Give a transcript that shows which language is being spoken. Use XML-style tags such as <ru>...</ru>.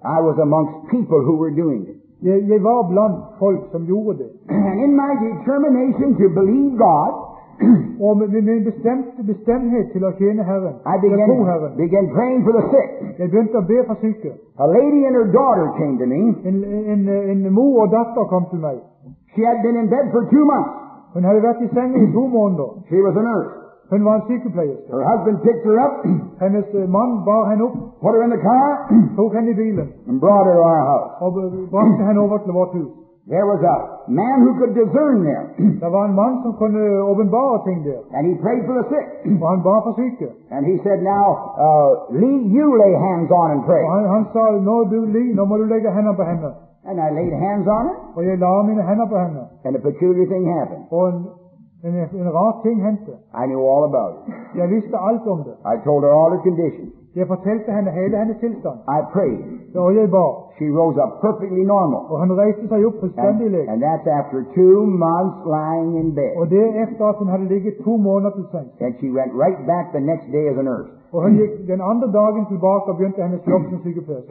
<en>I was amongst people who were doing it.</en> <no>Jeg var blant folk som gjorde det.</no> <en>And in my determination to believe God.</en> <no>Og med min bestemthet til å tjene Herren.</no> <en>I began praying for the sick.</en> <no>Jeg begynte å be for syke.</no> <en>A lady and her daughter came to me.</en> <no>En mor og datter kom til meg.</no> <en>She had been in bed for 2 months.</en> <no>Hun hadde vært i sengen i 2 måneder.</no> <en>She was a nurse.</en> <no>Hun var en sykepleierske.</no> <en>Her husband picked her up.</en> <no>Hennes mann bar henne opp.</no> <en>Put her in the car.</en> <no>Tok henne i bilen.</no> <en>And brought her to our house.</en> <no>Og brakte henne over til vårt hus.</no> <en>There was a man who could discern there.</en> <no>Der var en mann som kunne åpenbare ting der.</no> <en>And he prayed for the sick.</en> <no>Og han bar for syke.</no> <en>And he said, now, Lee, you lay hands on and pray.</en> <no>Og han sa, nå du, Lee, nå må du legge hender på henne.</no> <en>And I laid hands on her.</en> <no>Og jeg la mine hender på henne.</no> <en>And a peculiar thing happened.</en> <no>En rar ting hendte.</no> <en>I knew all about it.</en> <no>Jeg visste alt om det.</no> <en>I told her all her conditions.</en> <no>Jeg fortalte henne hele hennes tilstand.</no> <en>I prayed.</en> <no>Og jeg bar.</no> <en>She rose up perfectly normal.</en> <no>Og hun reiste seg opp fullstendig lik.</no> <en>And that's after 2 months lying in bed.</en> <no>Og det efter at hun hadde ligget 2 måneder til sengs.</no> <en>And she went right back the next day as a nurse.</en> <no>Og hun gikk den andre dagen tilbake og begynte hennes jobb som sykepleier.</no>